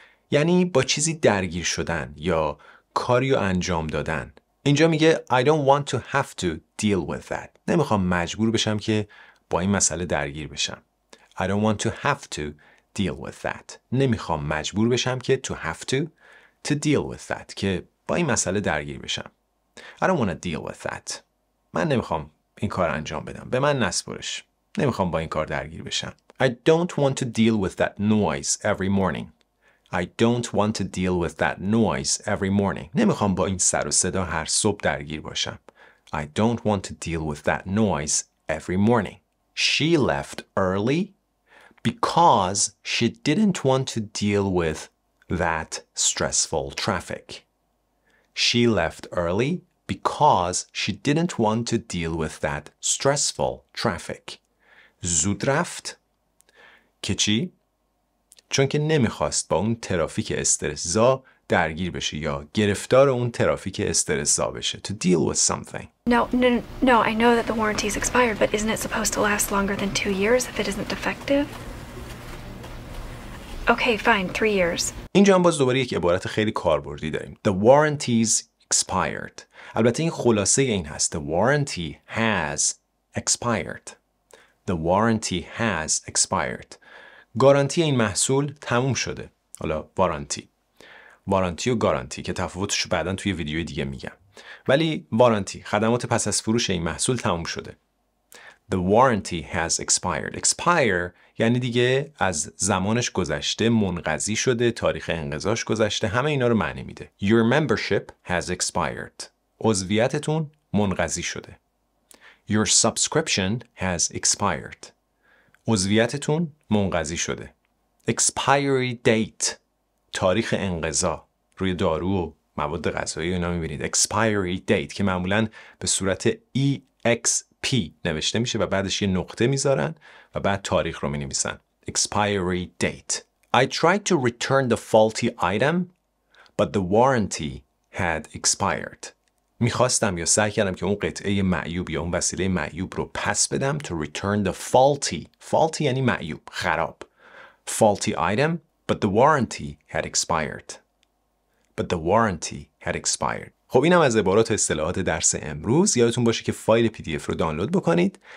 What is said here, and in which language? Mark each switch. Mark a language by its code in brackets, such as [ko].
[fa] یعنی با چیزی درگیر شدن یا کاریو انجام دادن. اینجا میگه [en] I don't want to have to deal with that. [fa] نمیخوام مجبور بشم که با این مسئله درگیر بشم. [en] I don't want to have to deal with that. [fa] نمیخوام مجبور بشم که [en] to have to deal with that. [fa] که با این مسئله درگیر بشم. [en] I don't want to deal with that. [fa] من نمیخوام این کار انجام بدم. به من نسپرش. نمیخوام با این کار درگیر بشم. [en] I don't want to deal with that noise every morning. I don't want to deal with that noise every morning. [fa] نمیخوام با این سر و صدا هر صبح درگیر باشم. [en] I don't want to deal with that noise every morning. She left early because she didn't want to deal with that stressful traffic. She left early because she didn't want to deal with that stressful traffic. [fa] زود رفت که چی؟ چون که نمیخواست با اون ترافیک استرس‌زا درگیر بشه یا گرفتار اون ترافیک استرس‌زا بشه. [en] To deal with something. No, I know that the warranty is expired, but isn't it supposed to last longer than 2 years if it isn't defective? Okay, fine, 3 years. [fa] اینجا هم باز دوباره یک عبارت خیلی کاربردی داریم. [en] The warranty is expired. [fa] البته این خلاصه این هست. [en] The warranty has expired. The warranty has expired. [fa] گارانتی این محصول تموم شده. حالا وارانتی. وارانتی و گارانتی که تفاوتش رو بعداً توی ویدیو دیگه میگم. ولی وارانتی، خدمات پس از فروش این محصول تموم شده. [en] The warranty has expired. [fa] Expire یعنی دیگه از زمانش گذشته، منقضی شده، تاریخ انقضاش گذشته، همه اینا رو معنی میده. [en] Your membership has expired. [fa] عضویتتون منقضی شده. [en] Your subscription has expired. [fa] عضویتتون منقضی شده. [en] Expiry date. [fa] تاریخ انقضا. روی دارو و مواد غذایی اینا میبینید. Expiry date که معمولا به صورت EXP نوشته میشه و بعدش یه نقطه میذارن و بعد تاریخ رو مینویسن. [en] Expiry date. I tried to return the faulty item, but the warranty had expired. [fa] میخواستم یا سعی کردم که اون قطعه معیوب یا اون وسیله معیوب رو پس بدم. [en] To return the faulty. Faulty [fa] یعنی معیوب، خراب. [en] Faulty item, but the warranty had expired. But the warranty had expired. [fa] خب اینم از عبارات و اصطلاحات درس امروز. یادتون باشه که فایل PDF رو دانلود بکنید.